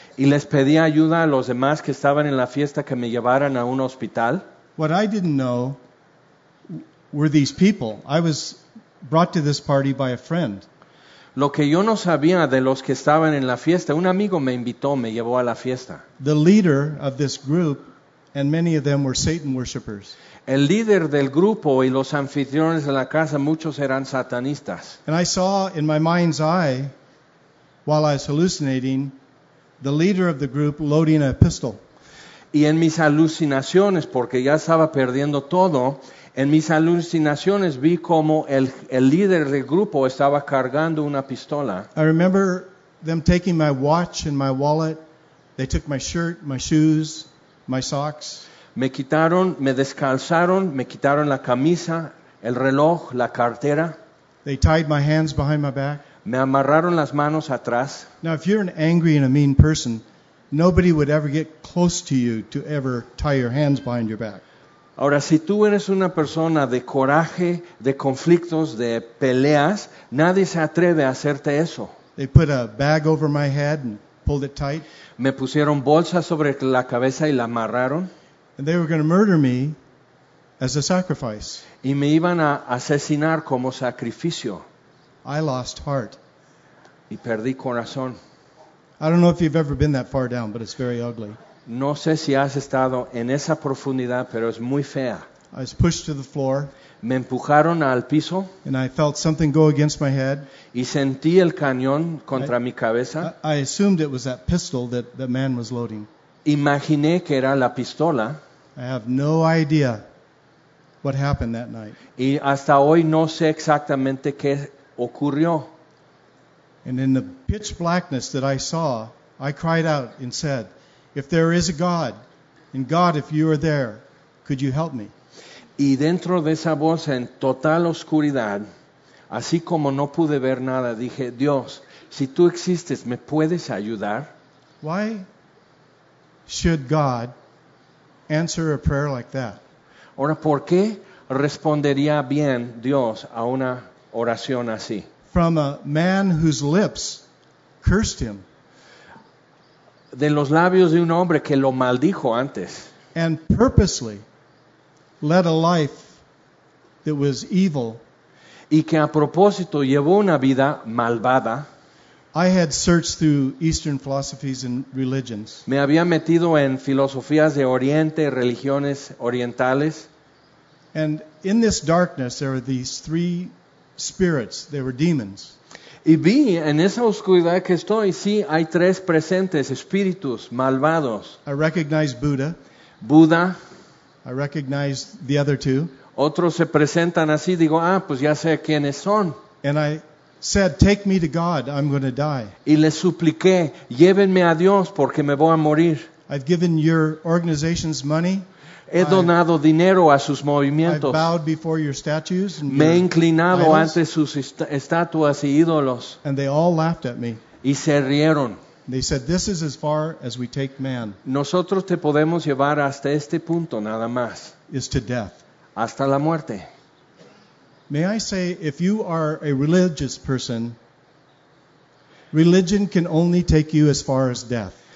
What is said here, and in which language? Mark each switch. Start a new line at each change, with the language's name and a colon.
Spanish: Y les pedí ayuda a los demás que estaban en la fiesta que me llevaran a un hospital.
English: What I didn't know were these people. I was brought to this party by a friend.
Spanish: Lo que yo no sabía de los que estaban en la fiesta, un amigo me invitó, me llevó a la fiesta.
English: The leader of this group, and many of them were Satan worshippers.
Spanish: El líder del grupo y los anfitriones de la casa, muchos eran satanistas.
English: And I saw in my mind's eye, while I was hallucinating, the leader of the group loading a pistol.
Spanish: Y en mis alucinaciones, porque ya estaba perdiendo todo, en mis alucinaciones vi como el líder del grupo estaba cargando una pistola.
English: I remember them taking my watch and my wallet. They took my shirt, my shoes, my socks.
Spanish: Me quitaron, me descalzaron, me quitaron la camisa, el reloj, la cartera.
English: They tied my hands behind my back.
Spanish: Me amarraron las manos atrás.
English: Now, if you're an angry and a mean person, nobody would ever get close to you to ever tie your hands behind your back.
Spanish: Ahora, si tú eres una persona de coraje, de conflictos, de peleas, nadie se atreve a hacerte eso.
English: They put a bag over my head and pulled it tight.
Spanish: Me pusieron bolsa sobre la cabeza y la amarraron.
English: And they were going to murder me as a sacrifice.
Spanish: Y me iban a asesinar como sacrificio.
English: I lost heart.
Spanish: Y perdí corazón.
English: I don't know if you've ever been that far down, but it's very ugly.
Spanish: No sé si has estado en esa profundidad, pero es muy fea.
English: I was pushed to the floor.
Spanish: Me empujaron al piso.
English: And I felt something go against my head.
Spanish: Y sentí el cañón contra mi cabeza.
English: I assumed it was that pistol that the man was loading.
Spanish: Imaginé que era la pistola.
English: I have no idea what happened that night.
Spanish: Y hasta hoy no sé exactamente qué ocurrió.
English: And in the pitch blackness that I saw, I cried out and said, "If there is a God, and God, if you are there, could you help me?"
Spanish: Y dentro de esa voz, en total oscuridad, así como no pude ver nada, dije, "Dios, si tú existes, ¿me puedes ayudar?"
English: Why should God answer a prayer like that?
Spanish: Ahora, ¿por qué respondería bien Dios a una oración así?
English: From a man whose lips cursed him.
Spanish: De los labios de un hombre que lo maldijo antes.
English: And purposely led a life that was evil.
Spanish: Y que a propósito llevó una vida malvada.
English: I had searched through Eastern philosophies and religions.
Spanish: Me había metido en filosofías de Oriente, religiones orientales.
English: And in this darkness there are these three spirits, they were demons.
Spanish: Y vi en esa oscuridad que estoy, sí, hay tres presentes, espíritus malvados.
English: I recognized Buddha.
Spanish: Buda.
English: I recognized the other two.
Spanish: Otros se presentan así, digo, ah, pues ya sé quiénes son.
English: And I said, "Take me to God, I'm going to die."
Spanish: Y le supliqué, llévenme a Dios porque me voy a morir.
English: I've given your organization's money.
Spanish: He donado dinero a sus movimientos.
English: I've bowed before your statues and
Spanish: me he inclinado idols. Ante sus estatuas y ídolos.
English: And they all laughed at me.
Spanish: Y se rieron.
English: They said, "This is as far as we take man."
Spanish: Nosotros te podemos llevar hasta este punto nada más.
English: Is to death.
Spanish: Hasta la muerte.
English: May I say, if you are a religious person, religion can only take you as far as death.